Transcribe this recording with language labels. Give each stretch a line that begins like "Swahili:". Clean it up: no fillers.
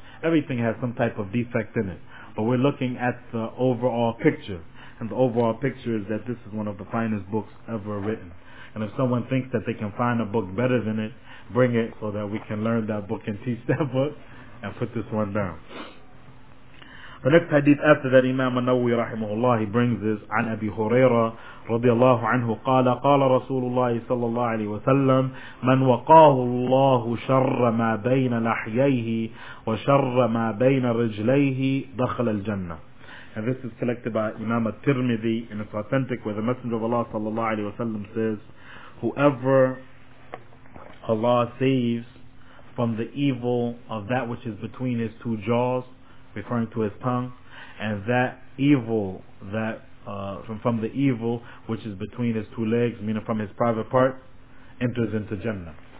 English: Everything has some type of defect in it. But we're looking at the overall picture. And the overall picture is that this is one of the finest books ever written. And if someone thinks that they can find a book better than it, bring it so that we can learn that book and teach that book and put this one down. The next hadith after that, Imam An-Nawawi rahimahullah, he brings this,
Arabic: عن أبي هريرة رضي الله عنه قال قال رسول الله صلى الله عليه وسلم من وقاه الله شر ما بين لحييه وشر ما بين رجليه دخل الجنة.
English: And this is collected by Imam At-Tirmidhi, and it's authentic, where the Messenger of Allah sallallahu alayhi wa sallam says, whoever Allah saves from the evil of that which is between his two jaws, referring to his tongue, and that evil, that from the evil which is between his two legs, meaning from his private part, enters into Jannah.